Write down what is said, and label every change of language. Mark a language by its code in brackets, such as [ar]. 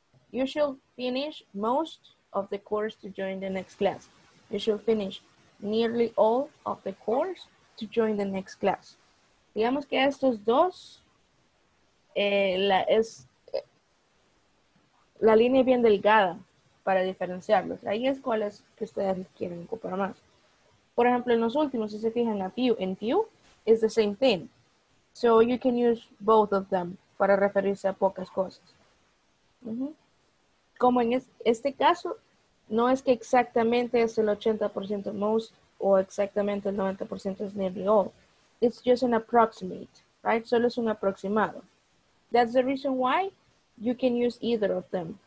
[en] You should finish most of the course to join the next class. You should finish nearly all of the course to join the next class. [es] Digamos que estos dos, la línea es bien delgada para diferenciarlos. Ahí es cuál es que ustedes quieren ocupar más. Por ejemplo, en los últimos, si se fijan a few, en few, [en] is the same thing. So you can use both of them [es] para referirse a pocas cosas. [en] Mm-hmm. [es] Como en este caso, no es que exactamente es el 80% most o exactamente el 90% es nearly all. [en] It's just an approximate, right? [es] Solo es un aproximado. [en] That's the reason why you can use either of them.